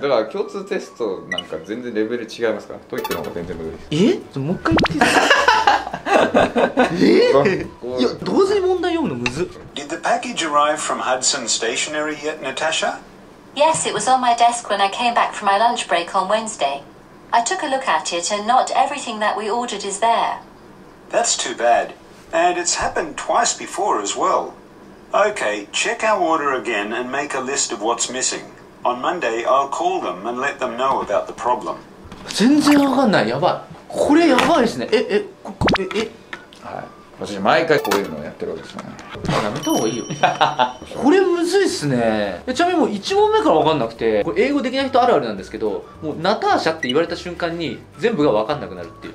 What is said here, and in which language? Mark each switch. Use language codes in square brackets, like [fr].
[ja] だから共通テストなんか全然レベル違いますから、トイックの方が全然無理です。え、もう一回言っていいですか。え、いや、同時に問題読むのむず。 [en] Did the package arrive from Hudson Stationery yet, Natasha? Yes, it was on my desk when I came back from my lunch break on WednesdayI took a look at it, and not everything that we ordered is there. That's too bad. And it's happened twice before as well. Okay, check our order again and make a list of what's missing. On Monday, I'll call them and let them know about the problem. [ja] 全然わかんない。やばい。これやばいですね。え。はい。私毎回こういうのをやってるわけですね。やめた方がいいよ。これむずいっすね。ちなみにもう1問目から分かんなくて、これ英語できない人あるあるなんですけど、もうナターシャって言われた瞬間に全部が分かんなくなるっていう。